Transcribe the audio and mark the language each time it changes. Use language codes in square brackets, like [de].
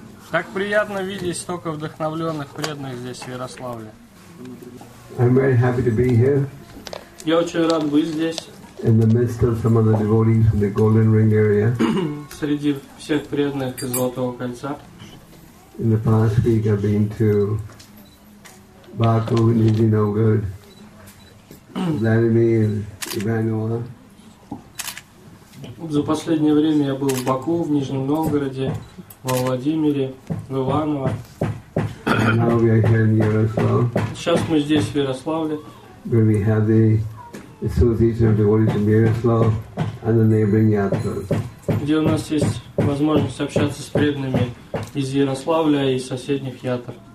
[ru] Так приятно видеть столько вдохновленных преданных здесь, в Ярославле. [en] I'm very happy to be here. [ru] Я очень рад быть здесь. [en] In the midst of some of the devotees from the Golden Ring area. [ru] Среди всех преданных из Золотого кольца. [en] In the past week I've been to Baku, Niji Novgorod, Vladimir, Ivanova. [ru] За последнее время я был в Баку, в Нижнем Новгороде, во Владимире, в Иваново. [en] Now we are here in Yaroslav. [ru] Сейчас мы здесь, в Ярославле. [en] Where we have the association of devotees from Yaroslav and the neighboring Yatras. [ru] Где у нас есть возможность общаться с преданными из Ярославля и соседних Ятр.